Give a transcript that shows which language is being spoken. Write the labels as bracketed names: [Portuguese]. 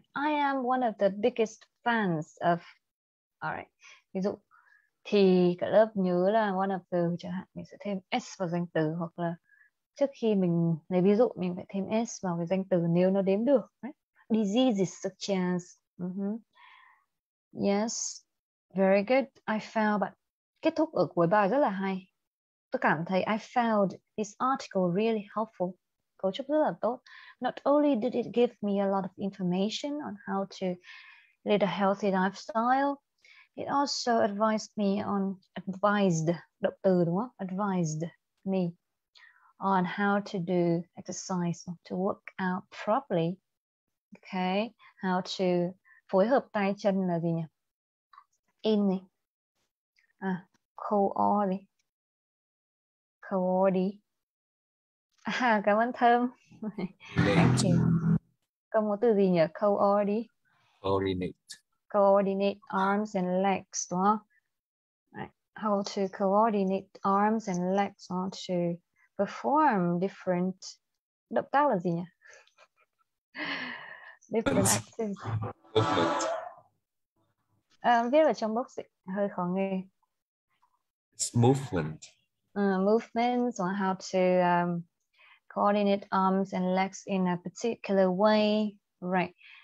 [English] I am one of the biggest fans of, alright, [Vietnamese] ví dụ, thì cả lớp nhớ là [English] one of the, [Vietnamese] chẳng hạn, mình sẽ thêm S vào danh từ, hoặc là trước khi mình lấy ví dụ, mình phải thêm S vào cái danh từ nếu nó đếm được, [English] right? Diseases such as, yes, very good, I found, [Vietnamese] bạn kết thúc ở cuối bài rất là hay. Tôi cảm thấy [English] I found this article really helpful. Cấu trúc rất là tốt. Not only did it give me a lot of information on how to lead a healthy lifestyle, it also advised me on [Vietnamese] động từ đúng không? [English] Advised me on how to do exercise, to work out properly. Okay, how to [Vietnamese] phối hợp tay chân là gì nhỉ? In này. À, coordinate. À, cảm ơn Thơm. Còn một từ gì nhỉ? [English] Coordinate. Coordinate arms and legs, [Vietnamese] đúng không? [English] Right. How to coordinate arms and legs, how to perform different [Vietnamese] động tác là gì nhỉ? [English] Different activities. [Vietnamese] Viết ở trong box ấy, hơi khó nghe. [English] It's movement. Movements on how to coordinate arms and legs in a particular way, right?